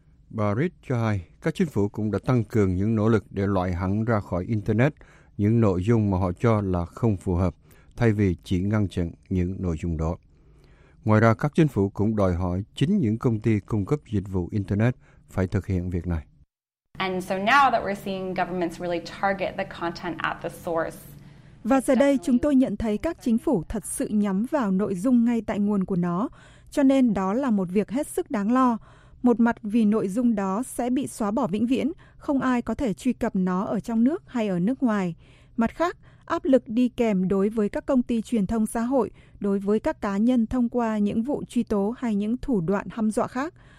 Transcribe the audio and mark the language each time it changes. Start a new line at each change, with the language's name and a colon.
Vietnamese: Bà Reed cho hay, các chính phủ cũng đã tăng cường những nỗ lực để loại hẳn ra khỏi Internet những nội dung mà họ cho là không phù hợp, thay vì chỉ ngăn chặn những nội dung đó. Ngoài ra, các chính phủ cũng đòi hỏi chính những công ty cung cấp dịch vụ Internet phải thực hiện việc này.
English: And so now that we're seeing governments really target the content at the source.
Vietnamese: Và giờ đây chúng tôi nhận thấy các chính phủ thật sự nhắm vào nội dung ngay tại nguồn của nó, cho nên đó là một việc hết sức đáng lo. Một mặt vì nội dung đó sẽ bị xóa bỏ vĩnh viễn, không ai có thể truy cập nó ở trong nước hay ở nước ngoài. Mặt khác, áp lực đi kèm đối với các công ty truyền thông xã hội, đối với các cá nhân thông qua những vụ truy tố hay những thủ đoạn hăm dọa khác.